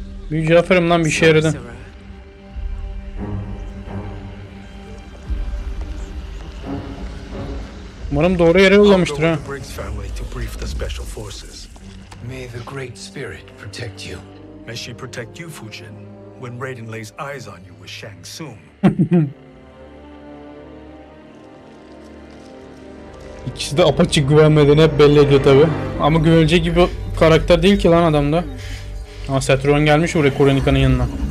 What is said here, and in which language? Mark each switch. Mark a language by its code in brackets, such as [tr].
[tr] Büyücü aferim lan, bir işe yaradın. Umarım doğru yere yollamıştır ha. [en] Briggs family to brief the special forces. May the great spirit protect you. May she protect you, Fujin, when Raiden lays eyes on you with Shang Tsung. [tr] İkisi de apaçık güvenmeden hep belli ediyor tabi. Ama güvenecek gibi karakter değil ki lan adamda. Ama Seth Rogen gelmiş oraya Kronika'nın yanına.